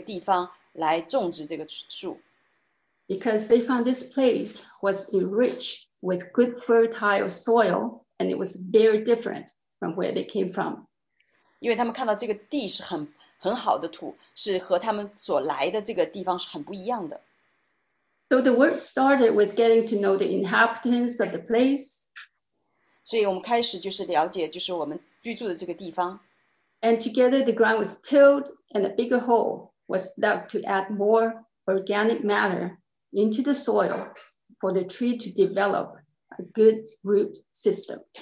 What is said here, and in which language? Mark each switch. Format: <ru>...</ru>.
<zh>他们就被指定到这个地方来种植这个树。</zh> <en>Because they found this place was enriched with good fertile soil, and it was very different from where they came from.</en> <zh>因为他们看到这个地是很好的土，是和他们所来的这个地方是很不一样的。</zh> <en>So the work started with getting to know the inhabitants of the place.</en> <zh>所以我们开始就是了解就是我们居住的这个地方。</zh> <en>And together the ground was tilled and a bigger hole was dug to add more organic matter into the soil for the tree to develop a good root system.</en>